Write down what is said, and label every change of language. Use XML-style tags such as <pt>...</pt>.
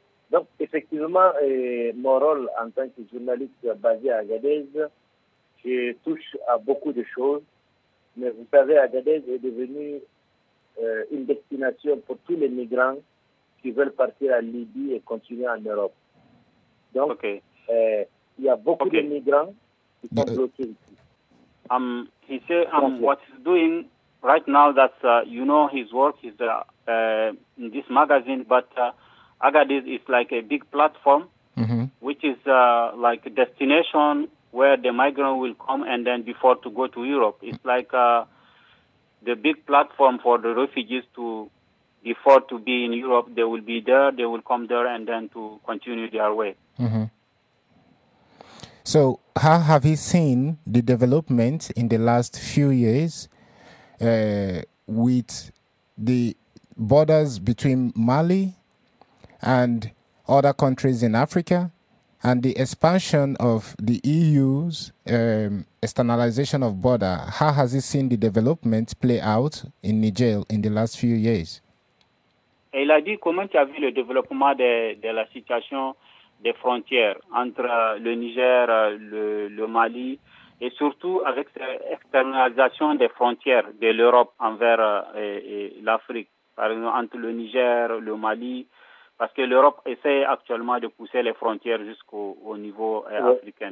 <fr>Donc, effectivement, mon rôle en tant que journaliste basé à Agadez, je touche à beaucoup de choses. Mais vous savez, Agadez est devenu une destination pour tous les migrants qui veulent partir à Libye et continuer en Europe. Donc, il y a beaucoup de migrants qui sont bloqués ici.</fr> <en>He said, what he's doing right now, that you know his work is in this magazine, but Agadez is like a big platform, mm-hmm. which is like a destination where the migrant will come and then before to go to Europe. It's like the big platform for the refugees to before to be in Europe. They will be there, they will come there, and then to continue their way. Mm-hmm. So how have you seen the development in the last few years with the borders between Mali and other countries in Africa And the expansion of the EU's externalization of border, how has it seen the development play out in Niger in the last few years?</en> <fr>Il a dit comment tu as vu le développement de la situation des frontières entre le Niger, le Mali, et surtout avec cette externalisation des frontières de l'Europe envers l'Afrique, par exemple entre le Niger, le Mali, parce que l'Europe essaie actuellement de pousser les frontières jusqu'au niveau africain.</fr>